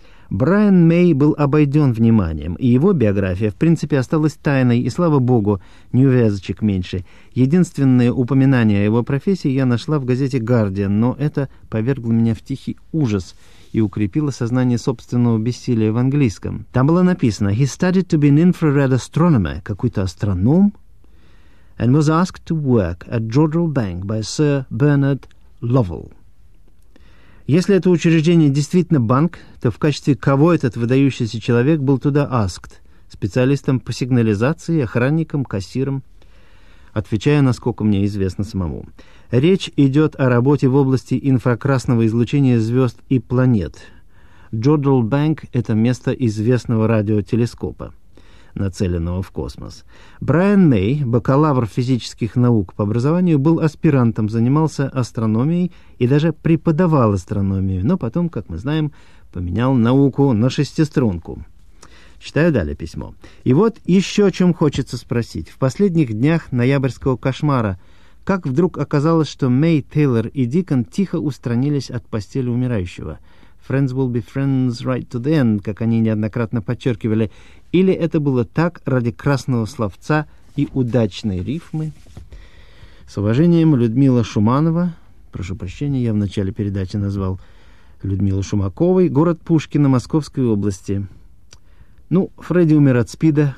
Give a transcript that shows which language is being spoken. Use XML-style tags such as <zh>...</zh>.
<ru>Брайан Мэй был обойден вниманием, и его биография, в принципе, осталась тайной, и, слава богу, неувязочек меньше. Единственное упоминание о его профессии я нашла в газете «Гардиан», но это повергло меня в тихий ужас и укрепило сознание собственного бессилия в английском. Там было написано</ru> <en>«He studied to be an infrared astronomer»,</en> <ru>какой-то астроном,</ru> <en>«and was asked to work at Jodrell Bank by Sir Bernard Lovell».</en> <ru>Если это учреждение действительно банк, то в качестве кого этот выдающийся человек был туда asked? Специалистом по сигнализации, охранником, кассиром? Отвечаю, насколько мне известно самому. Речь идет о работе в области инфракрасного излучения звезд и планет. Jodrell Bank — это место известного радиотелескопа, нацеленного в космос. Брайан Мэй, бакалавр физических наук по образованию, был аспирантом, занимался астрономией и даже преподавал астрономию, но потом, как мы знаем, поменял науку на шестиструнку. Читаю далее письмо. И вот еще о чем хочется спросить. В последних днях ноябрьского кошмара, как вдруг оказалось, что Мэй, Тейлор и Дикон тихо устранились от постели умирающего?</ru> <en>«Friends will be friends right to the end»,</en> <ru>как они неоднократно подчеркивали. Или это было так ради красного словца и удачной рифмы? С уважением, Людмила Шуманова. Прошу прощения, я в начале передачи назвал Людмилу Шумаковой. Город Пушкино, Московской области. Ну, Фредди умер от СПИДа.</ru>